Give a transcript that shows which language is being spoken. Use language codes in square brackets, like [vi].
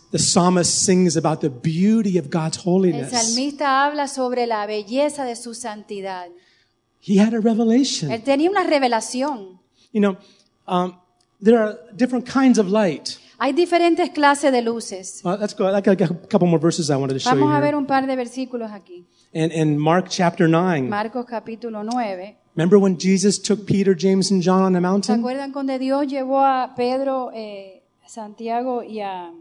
[en] The psalmist sings about the beauty of God's holiness. [es] El salmista habla sobre la belleza de su santidad. [en] He had a revelation. [es] Él tenía una revelación. [en] You know, there are different kinds of light. [es] Hay diferentes clases de luces. [en] Well, let's go. I got a couple more verses I wanted to show you. [es] Vamos a ver un par de versículos aquí. [en] In Mark chapter 9. [es] Marcos capítulo 9. [en] Remember when Jesus took Peter, James, and John on the mountain? [es] ¿Se acuerdan cuando Dios llevó a Pedro, Santiago y a